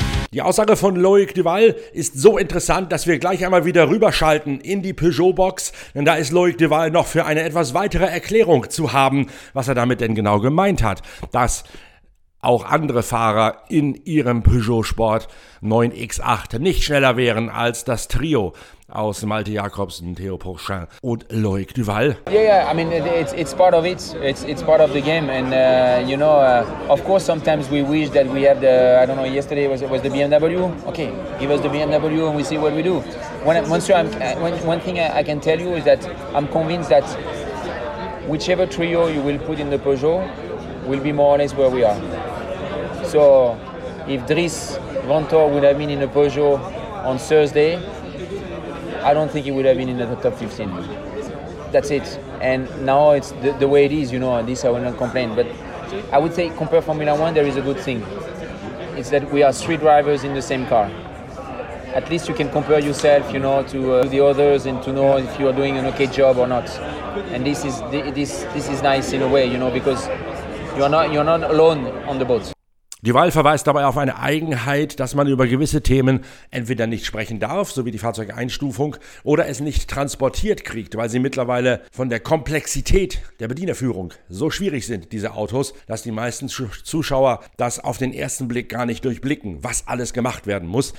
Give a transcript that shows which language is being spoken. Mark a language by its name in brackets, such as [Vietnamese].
[German] Die Aussage von Loïc Duval ist so interessant, dass wir gleich einmal wieder rüberschalten in die Peugeot-Box, denn da ist Loïc Duval noch für eine etwas weitere Erklärung zu haben, was er damit denn genau gemeint hat, dass auch andere Fahrer in ihrem Peugeot-Sport 9X8 nicht schneller wären als das Trio aus Malte Jakobsen, Theo Pourchaint und Loïc Duval. [English] Yeah, I mean, it's part of it. It's part of the game. And you know, of course, sometimes we wish that we have the, I don't know, yesterday was the BMW. Okay, give us the BMW and we see what we do. One thing I can tell you is that I'm convinced that whichever trio you will put in the Peugeot will be more or less where we are. So if Dries Vantor would have been in a Peugeot on Thursday, I don't think he would have been in the top 15. That's it. And now it's the way it is, you know, this I will not complain. But I would say, compare Formula One, there is a good thing. It's that we are 3 drivers in the same car. at least you can compare yourself, you know, to the others and to know if you are doing an okay job or not. And this is nice in a way, you know, because you are not alone on the boat. [German] Duval verweist dabei auf eine Eigenheit, dass man über gewisse Themen entweder nicht sprechen darf, so wie die Fahrzeugeinstufung, oder es nicht transportiert kriegt, weil sie mittlerweile von der Komplexität der Bedienerführung so schwierig sind, diese Autos, dass die meisten Zuschauer das auf den ersten Blick gar nicht durchblicken, was alles gemacht werden muss.